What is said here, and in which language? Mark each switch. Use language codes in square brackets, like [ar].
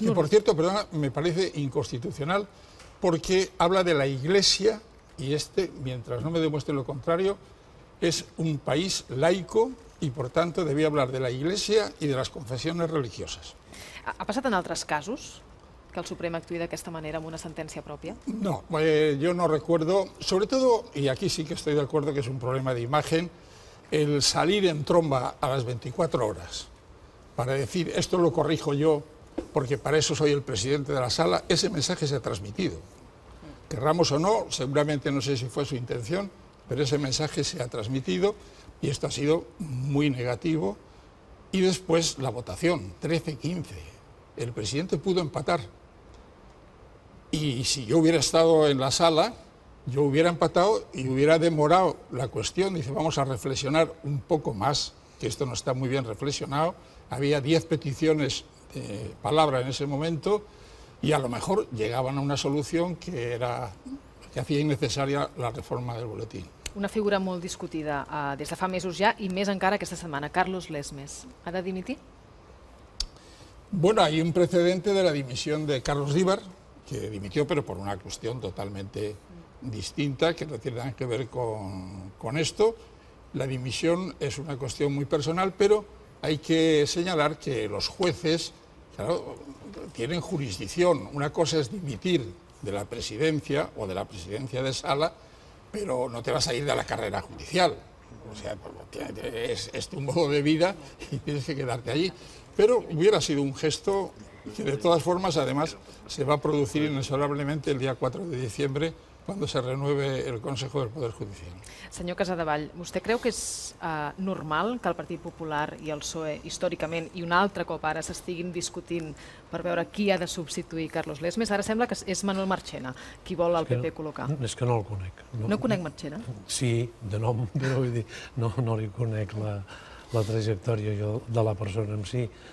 [es] que, por cierto, perdona, me parece inconstitucional porque habla de la Iglesia y este, mientras no me demuestre lo contrario, es un país laico y, por tanto, debía hablar de la Iglesia y de las confesiones religiosas. ¿Ha pasado en otros casos? [ca] que el Suprem actuï d'aquesta manera amb una sentència pròpia? [es] No, yo no recuerdo, sobre todo, y aquí sí que estoy de acuerdo que es un problema de imagen, el salir en tromba a las 24 horas para decir esto lo corrijo yo porque para eso soy el presidente de la sala, ese mensaje se ha transmitido. Querramos o no, seguramente no sé si fue su intención, pero ese mensaje se ha transmitido y esto ha sido muy negativo. Y después la votación, 13-15, el presidente pudo empatar. Y si yo hubiera estado en la sala, yo hubiera empatado y hubiera demorado la cuestión. Dice, vamos a reflexionar un poco más, que esto no está muy bien reflexionado. Había 10 peticiones de palabra en ese momento y a lo mejor llegaban a una solución que era que hacía innecesaria la reforma del boletín. [ca] Una figura molt discutida des de fa mesos ja i més encara aquesta setmana, Carlos Lesmes. Ha de dimitir? [es] Bueno, hay un precedente de la dimisión de Carlos Díbar, que dimitió pero por una cuestión totalmente distinta, que no tiene nada que ver con esto. La dimisión es una cuestión muy personal, pero hay que señalar que los jueces, claro, tienen jurisdicción. Una cosa es dimitir de la presidencia o de la presidencia de sala, pero no te vas a ir de la carrera judicial. O sea, es tu modo de vida y tienes que quedarte allí. Pero hubiera sido un gesto que, de todas formas, además, se va a producir inexorablemente el día 4 de diciembre, cuando se renueve el Consejo del Poder Judicial. [ca] Senyor Casadevall, vostè creu que és normal que el Partit Popular i el PSOE, històricament, i un altre cop ara, s'estiguin discutint per veure qui ha de substituir Carlos Lesmes? Ara sembla que és Manuel Marchena qui vol el PP col·locar. És que no el conec. No conec Marchena? Sí, de nom, però vull dir, no li conec la trajectòria de la persona en si.